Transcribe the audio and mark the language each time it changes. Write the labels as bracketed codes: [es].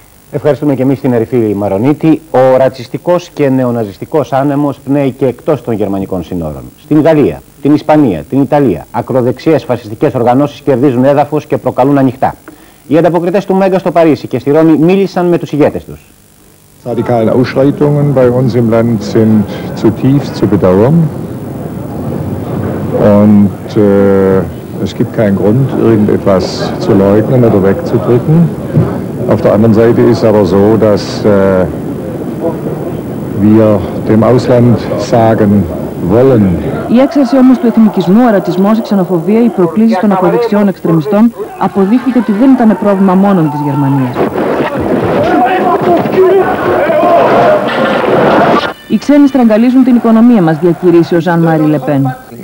[el] Ευχαριστούμε και εμείς την Ερυφή Μαρονίτη. Ο ρατσιστικός και νεοναζιστικός άνεμος πνέει και εκτός των γερμανικών συνόρων. Στην Γαλλία, την Ισπανία, την Ιταλία, ακροδεξιές φασιστικές οργανώσεις κερδίζουν έδαφος και προκαλούν ανοιχτά. Οι ανταποκριτές του Μέγκα στο Παρίσι και στη Ρώμη μίλησαν με τους ηγέτες τους. [de] Radikale Ausschreitungen bei uns im Land sind zutiefst zu bedauern. Und es gibt keinen Grund, irgendetwas zu leugnen oder wegzudrücken. Auf der anderen Seite ist aber so, dass wir dem Ausland sagen wollen. [el] Η έξαρση όμως του εθνικισμού, ο ρατσισμός, η ξενοφοβία, οι προκλήσεις των ακροδεξιών εξτρεμιστών αποδείχθηκε ότι δεν ήταν πρόβλημα μόνο της Γερμανίας. Οι ξένοι στραγγαλίζουν την οικονομία μας, διακηρύσει ο Ζαν-Μαρί Λεπέν.